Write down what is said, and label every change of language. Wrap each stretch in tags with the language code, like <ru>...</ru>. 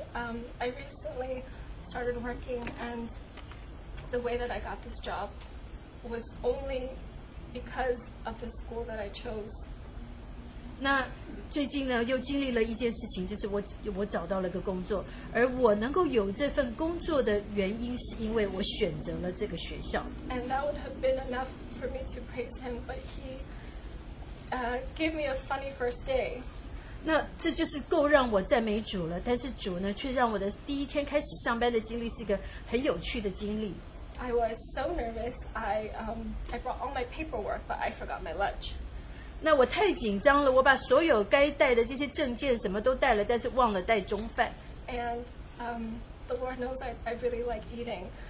<en>I recently started working, and the way that I got this job was only because of the school that I chose.</en> <zh>那最近呢，又经历了一件事情，就是我找到了个工作，而我能够有这份工作的原因，是因为我选择了这个学校。</zh> <en>And that would have been enough for me to praise him, but he gave me a funny first day.</en> <zh>那这就是够让我赞美主了，但是主呢，却让我的第一天开始上班的经历是一个很有趣的经历。</zh> <en>I was so nervous. I brought all my paperwork, but I forgot my lunch.</en> <zh>那我太紧张了，我把所有该带的这些证件什么都带了，但是忘了带中饭。</zh> <en>And the Lord knows I really like eating.</en>